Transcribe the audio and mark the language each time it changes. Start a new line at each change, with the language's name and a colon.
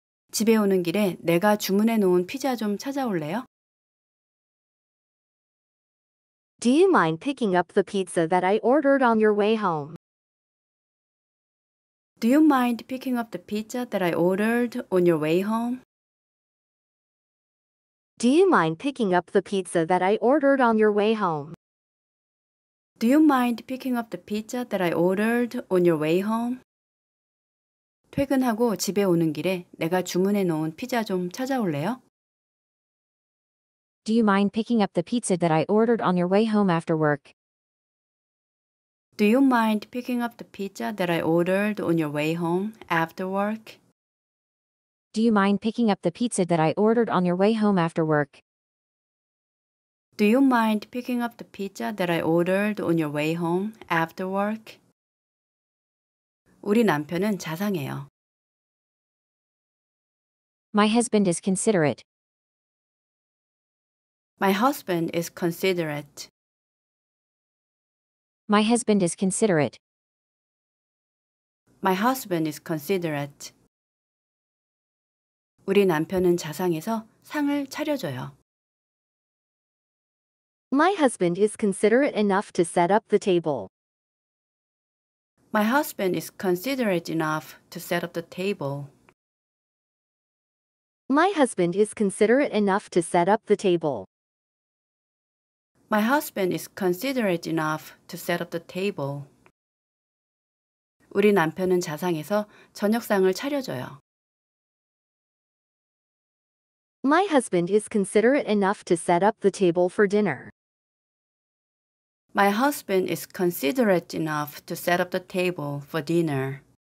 Korean: 집에 오는 길에 내가 주문해 놓은 피자 좀 찾아올래요?
English: Do you mind picking up the pizza that I ordered on your way home? Do you mind picking up the pizza that I ordered on your way home? Do you mind picking up the pizza that I ordered on your way home? Do you mind picking up the pizza that I ordered on your way home?
Korean: 퇴근하고 집에 오는 길에 내가 주문해 놓은 피자 좀 찾아올래요?
English: Do you mind picking up the pizza that I ordered on your way home after work? Do you mind picking up the pizza that I ordered on your way home after work? Do you mind picking up the pizza that I ordered on your way home after work? Do you mind picking up the pizza that I ordered on your way home after work?
Korean: 우리 남편은 자상해요.
English: My husband is considerate. My husband is considerate. My husband is considerate. My husband is considerate.
Korean: 우리 남편은 자상해서 상을 차려줘요.
English: My husband is considerate enough to set up the table. My husband is considerate enough to set up the table. My husband is considerate enough to set up the table. My husband is considerate enough to set up the table.
Korean: 우리 남편은 자상해서 저녁상을 차려줘요.
English: My husband is considerate enough to set up the table for dinner. My husband is considerate enough to set up the table for dinner.